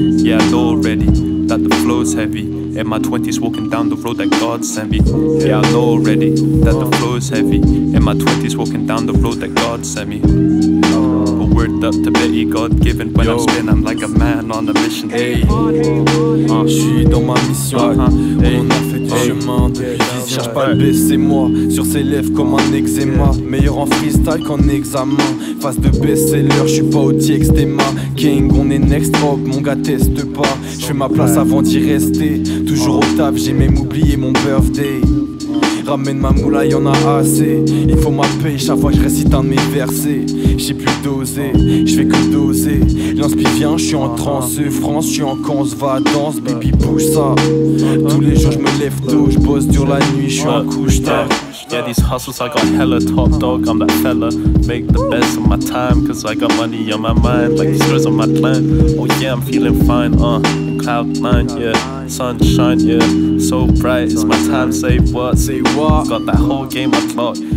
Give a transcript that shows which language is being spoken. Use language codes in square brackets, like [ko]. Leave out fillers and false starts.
[en] Yeah, I know already that the flow's heavy. In my 20s, walking down the road that God sent me. Yeah, I know already that the flow's heavy. In my 20s, walking down the road that God sent me. A word up to BETI, God given. When I'm spinning, I'm like a man on a mission. [fr] Hey, j'suis dans ma mission. Chemin de vie, cherche pas le B, c'est moi. Sur ses lèvres comme un eczéma. Meilleur en freestyle qu'en examen. Face de best-seller, j'suis pas au TXDMA. King, on est [en] next up, [fr] mon gars teste pas. J'fais ma place avant d'y rester. Toujours au taf, j'ai même oublié mon birthday. Ramène ma moula, y'en a assez. Il faut ma paye, chaque fois que j'récite un de mes versets. J'ai plus dosé, j'fais que doser. L'inspire vient, j'suis en transe. France, j'suis en canse, va danse, baby bouge ça. Tous les jours j'me lève tôt, j'bosse dur la nuit, j'suis en couche tard. [en] Yeah, these hustles, I got hella top dog, I'm that fella. Make the best of my time, cause I got money on my mind. Like these girls on my plan. Oh yeah, I'm feeling fine, cloud nine, yeah. Sunshine, yeah. So bright, it's my time, say what? Say what? Got that whole game unlocked.